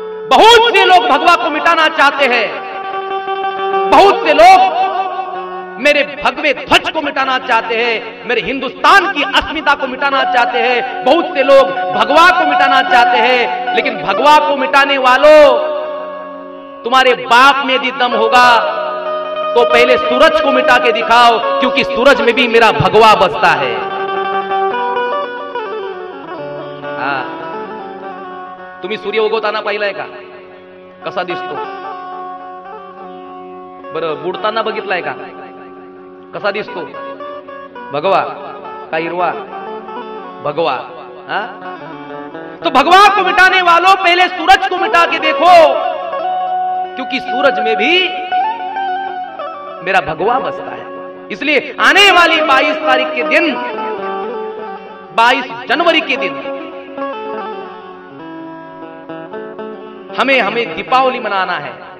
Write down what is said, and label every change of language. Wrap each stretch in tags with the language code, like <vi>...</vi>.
<hi>बहुत से लोग भगवा को मिटाना चाहते हैं, बहुत से लोग मेरे भगवे ध्वज को मिटाना चाहते हैं, मेरे हिंदुस्तान की अस्मिता को मिटाना चाहते हैं, बहुत से लोग भगवा को मिटाना चाहते हैं, लेकिन भगवा को मिटाने वालों, तुम्हारे बाप में यदि दम होगा तो पहले सूरज को मिटा के दिखाओ, क्योंकि सूरज में भी मेरा भगवा बसता है।</hi> <mr>तुम्ही सूर्य उगवताना पाहिलंय का कसा दिसतो, बरं बुडताना बघितलाय का कसा दिसतो, भगवा का हिरवा भगवा।</mr> <hi>तो भगवा को मिटाने वालों पहले सूरज को मिटा के देखो, क्योंकि सूरज में भी मेरा भगवा बसता है। इसलिए आने वाली 22 तारीख के दिन, 22 जनवरी के दिन हमें दीपावली मनाना है।</hi>